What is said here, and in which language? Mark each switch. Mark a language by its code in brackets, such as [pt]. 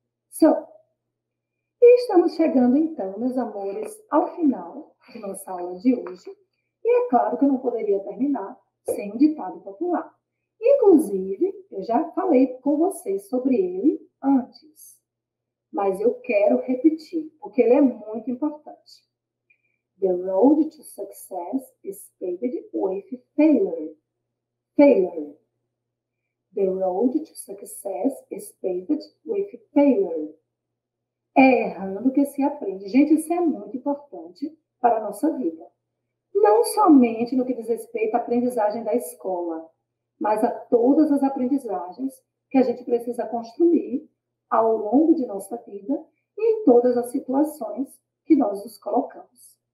[pt] So, e estamos chegando, então, meus amores, ao final de nossa aula de hoje. E é claro que eu não poderia terminar sem um ditado popular. Inclusive, eu já falei com vocês sobre ele antes, mas eu quero repetir, porque ele é muito importante. [en] The road to success is paved with failure. Failure. The road to success is paved with failure. [pt] É errando que se aprende. Gente, isso é muito importante para a nossa vida. Não somente no que diz respeito à aprendizagem da escola, mas a todas as aprendizagens que a gente precisa construir ao longo de nossa vida e em todas as situações que nós nos colocamos.